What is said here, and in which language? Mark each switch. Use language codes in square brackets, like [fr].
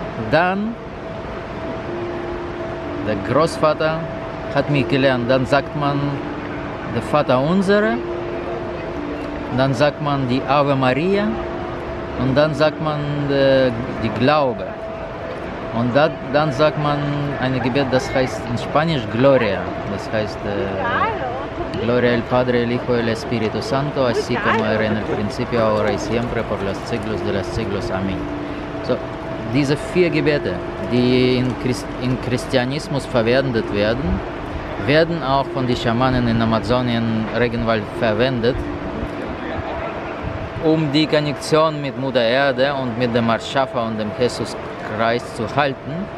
[de] Dann der Großvater hat mich gelernt, dann sagt man der Vater unsere. Dann sagt man die Ave Maria und dann sagt man die Glaube. Und dann sagt man ein Gebet, das heißt in Spanisch Gloria. Das heißt [es] Gloria al Padre, al Hijo, al Espíritu Santo, así como era en el principio, ahora y siempre, por los siglos de los siglos. [de] Amen. So, diese vier Gebete, die in Christianismus verwendet werden, werden auch von den Schamanen in Amazonien Regenwald verwendet, um die Konnektion mit Mutter Erde und mit dem Erschaffer und dem Jesus Christ zu halten.